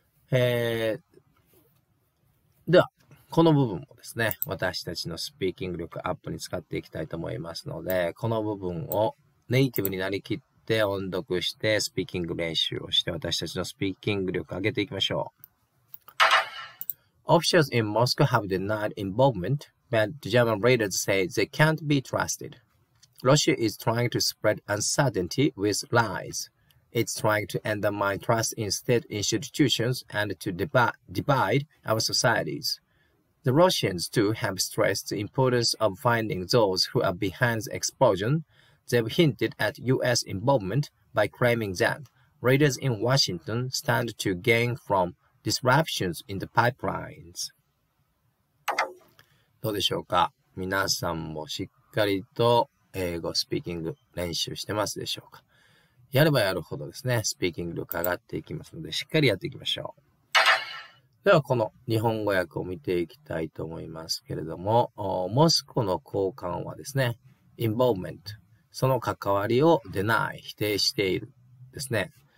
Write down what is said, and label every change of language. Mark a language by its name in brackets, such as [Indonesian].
[Japanese] では、この部分もですね、私たちのスピーキング力アップに使っていきたいと思いますので、この部分をネイティブになりきって音読して、スピーキング練習をして、私たちのスピーキング力を上げていきましょう。 [English] Officials in Moscow have denied involvement, but the German leaders say they can't be trusted. Russia is trying to spread uncertainty with lies. It's trying to undermine trust in state institutions and to divide our societies. The Russians, too, have stressed the importance of finding those who are behind the explosion. They've hinted at U.S. involvement by claiming that raiders in Washington stand to gain from disruptions in the pipelines. [Japanese] どうでしょうか。皆さんもしっかりと英語スピーキング練習してますでしょうか。やればやるほどですね、スピーキング力上がっていきますので、しっかりやっていきましょう。ではこの日本語訳を見ていきたいと思いますけれども、モスクの高官はですね、involvement、その関わりを deny、否定しているですね。